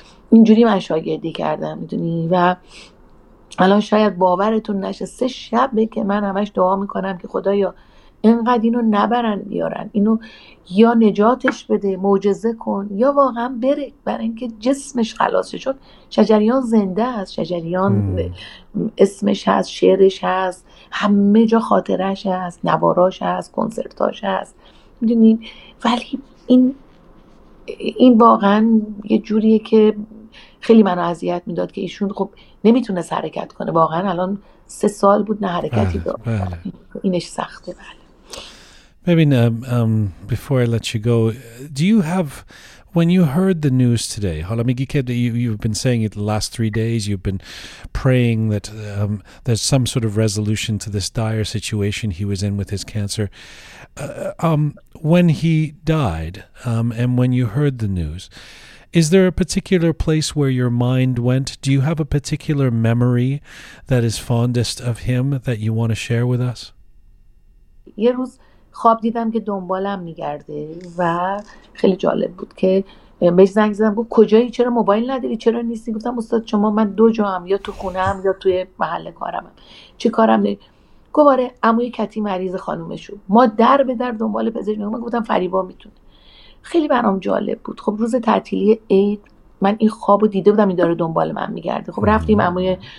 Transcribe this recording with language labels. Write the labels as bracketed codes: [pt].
[fa] اینجوری من شاگردی کردم میتونی و الان شاید باورتون نشه سه شبه که من همش دعا میکنم که خدایا اینقدر اینو نبرن بیارن اینو یا نجاتش بده معجزه کن یا واقعا بره برای اینکه جسمش خلاص شد شجریان زنده است شجریان اسمش هست شعرش هست همه جا خاطرش هست نواراش هست کنسرتاش هست میدونین ولی این واقعا یه جوریه که خیلی منو اذیت میداد که ایشون خب نمیتونه حرکت کنه واقعا الان سه سال بود نه حرکتی داره اینش سخته بله [en] Maybe before I let you go, do you have, when you heard the news today, you've been saying it the last 3 days, you've been praying that there's some sort of resolution to this dire situation he was in with his cancer. When he died and when you heard the news, is there a particular place where your mind went? Do you have a particular memory that is fondest of him that you want to share with us? Yes. [fa] خواب دیدم که دنبالم میگرده و خیلی جالب بود که بهش زنگ زدم گفت کجایی چرا موبایل نداری چرا نیستی گفتم استاد شما من دو جا هم یا تو خونم یا توی محل کارم هم چی کارم داری گفت آره عموی کتی مریض خانومشو ما در به در دنبال پزشک من گفتم فریبا میتونه خیلی برام جالب بود خب روز تعطیلی عید من این خوابو دیده بودم این داره دنبال من میگرده خب رفتیم عموی